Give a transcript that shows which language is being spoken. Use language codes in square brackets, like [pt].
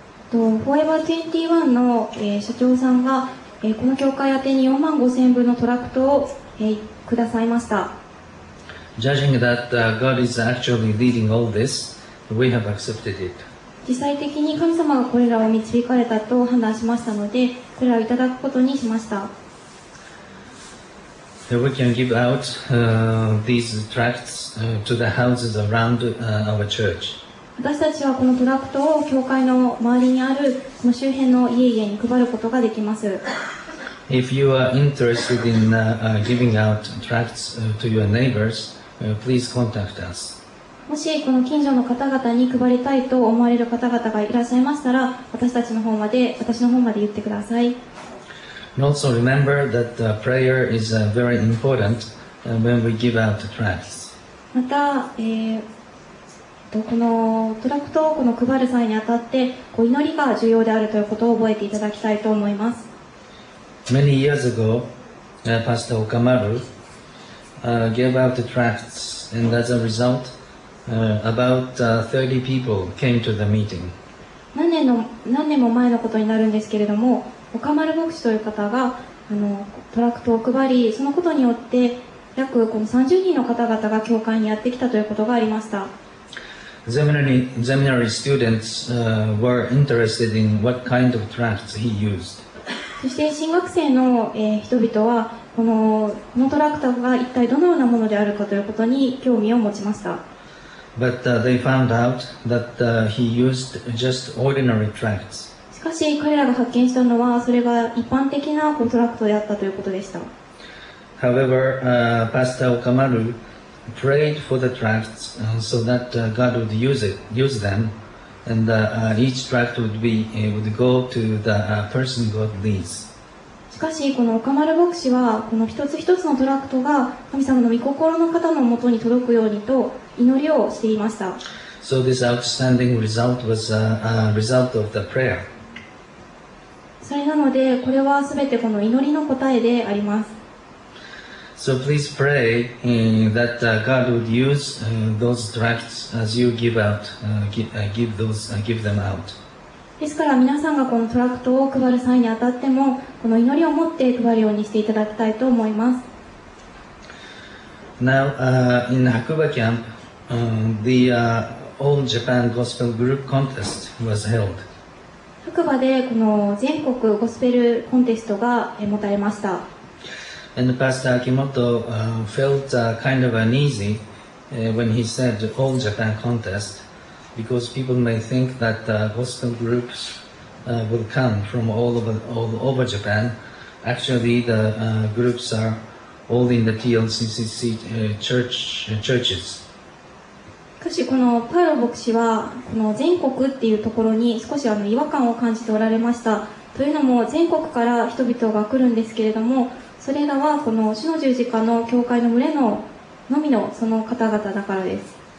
[ja] Forever 21の社長さんがこの教会宛に4万5000部のトラクトをくださいました。 [en] Judging that God is actually leading all this, we have accepted it. [ja] 実際的に神様がこれらを導かれたと判断しましたので、これらをいただくことにしました。 [en] We can give out these tracts to the houses around our church. [ja] 私たちはこのトラクトを教会の周りにあるこの周辺の家々に配ることができます。 [en] If you are interested in giving out tracts to your neighbors, please contact us. [ja] もしこの近所の方々に配りたいと思われる方々がいらっしゃいましたら、私たちの方まで、私の方まで言ってください。 [en] And also remember that prayer is very important when we give out tracts. [ja] また、このトラクトをこの配る際にあたって、こう祈りが重要であるということを覚えていただきたいと思います。 [en] Many years ago, Pastor Okamaru gave out the tracts, and as a result, about 30 people came to the meeting. [ja] 何年も前のことになるんですけれども、Okamaru牧師という方がトラクトを配り、そのことによって約この30人の方々が教会にやってきたということがありました。 [en] Seminary students were interested in what kind of tracts he used. [ja] そして新学生の人々はこのトラクターが一体どのようなものであるかということに興味を持ちました。 [en] But they found out that he used just ordinary tracts. [ja] しかし彼らが発見したのはそれが一般的なトラクターであったということでした。 [en] However, Pastor Okamaru prayed for the tracts so that God would use them, and each tract would go to the person God leads. [ja] しかしこの岡丸牧師はこの一つ一つのトラクトが神様の御心の方のもとに届くようにと祈りをしていました。 [en] So this outstanding result was a result of the prayer. [ja] それなのでこれはすべてこの祈りの答えであります。 [en] So please pray that God would use those tracts as you give out, give them out. [ja] ですから皆さんがこのトラクトを配る際にあたっても、この祈りを持って配るようにしていただきたいと思います。 [en] Now, in Hakuba Camp, the All Japan Gospel Group Contest was held. [ja] 白馬でこの全国ゴスペルコンテストが持たれました。 [en] And Pastor Akimoto felt kind of uneasy when he said All Japan Contest because people may think that gospel groups will come from all over Japan. Actually, the groups are all in the TLCCC churches. [ja] しかしこのパウロ牧師はこの全国っていうところに少し違和感を感じておられました。というのも全国から人々が来るんですけれども、それらはこの主の十字架の教会の群れののみのその方々だからです。